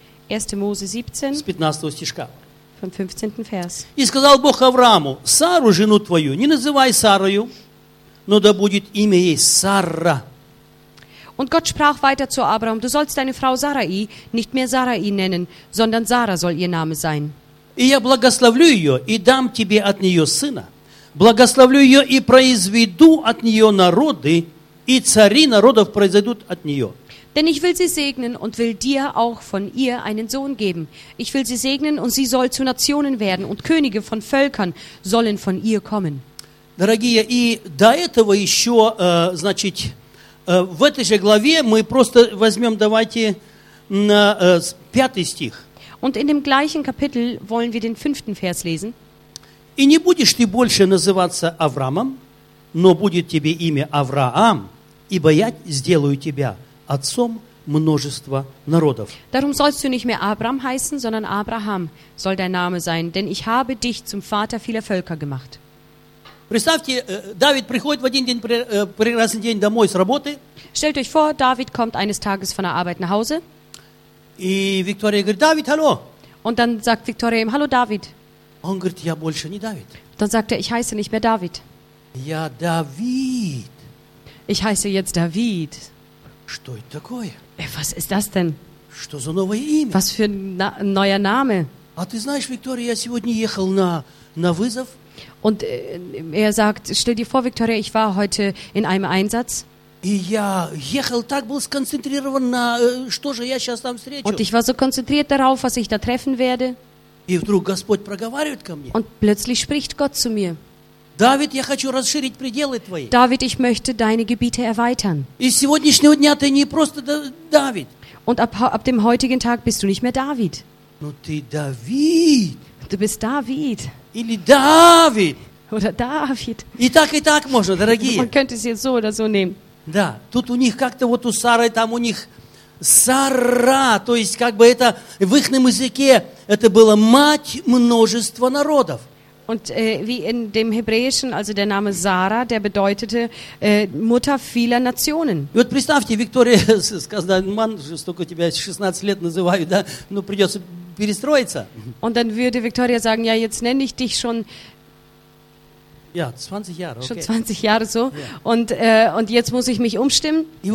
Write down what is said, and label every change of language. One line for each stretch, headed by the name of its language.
Russian: 1. Мозе 17. С 15 стишка.
German: Vom 15. Vers.
Russian: И сказал Бог Аврааму: Сару, жену твою, не называй Сарою, Но да будет имя ей Сара.
German: Und Gott sprach weiter zu Abraham: Du sollst deine Frau Sarai nicht mehr Sarai nennen, sondern Sara soll ihr Name sein.
Russian: И я благословлю ее и дам тебе от нее сына. Благословлю ее и произведу от нее народы, и цари народов произойдут от нее.
German: Denn ich will sie segnen und will dir auch von ihr einen Sohn geben. Ich will sie segnen und sie soll zu Nationen werden und Könige von Völkern sollen von ihr kommen.
Russian: Дорогие, и до этого еще, значит, в этой же главе мы просто возьмем, давайте, на, пятый стих.
German: Und in dem gleichen Kapitel wollen wir den fünften Vers lesen.
Russian: И не будешь ты больше называться Авраамом, но будет тебе имя Авраам, ибо я сделаю тебя отцом множества народов.
German: Darum sollst du nicht mehr Abraham heißen, sondern Abraham soll dein Name sein, denn ich habe dich zum Vater vieler Völker gemacht.
Russian: Представьте, Давид приходит в один день, прекрасный день домой с работы.
German: Stellt euch vor, David kommt eines Tages von der Arbeit nach Hause.
Russian: И Виктория говорит: «Давид, hallo».
German: Und dann sagt Victoria ihm: «Hallo, David».
Russian: Он говорит: «Я больше не Давид».
German: Dann sagt er: «Ich heiße nicht mehr David».
Russian: Я Давид.
German: Ich heiße jetzt David.
Russian: Что это такое?
German: Was ist das denn?
Russian: Что за новое имя?
German: Was für neuer Name?
Russian: А ты знаешь, Виктория, я сегодня ехал на вызов.
German: Und er sagt: «Stell dir vor, Victoria, ich war heute in einem Einsatz».
Russian: И я ехал, так был сконцентрирован на что же я сейчас там встречу.
German: Und ich war so konzentriert darauf, was ich da treffen werde.
Russian: И вдруг Господь проговаривает ко мне.
German: Und plötzlich spricht Gott zu mir.
Russian: Давид, я хочу расширить пределы твои.
German: David, ich möchte deine Gebiete erweitern.
Russian: И с сегодняшнего дня ты не просто Давид.
German: Und ab dem heutigen Tag bist du nicht mehr David.
Russian: Но ты Давид.
German: Du bist David.
Russian: Или Давид.
German: Oder David.
Russian: И так можно, дорогие.
German: Man könnte es jetzt so oder so nehmen.
Russian: Да, тут у них как-то вот у Сары, там у них Сара, то есть как бы это в их языке это было мать множества народов.
German: Und wie in dem Hebräischen, also der Name Sara, der bedeutete Mutter vieler Nationen.
Russian: И вот представьте, Виктория сказала: «Ман, столько тебя 16 лет называют, да, ну придется перестроиться».
German: Und dann würde Victoria sagen: «Ja, jetzt nenne ich dich schon». Ja, 20 Jahre, okay. Schon 20 Jahre so. Yeah. Und jetzt muss ich mich umstimmen.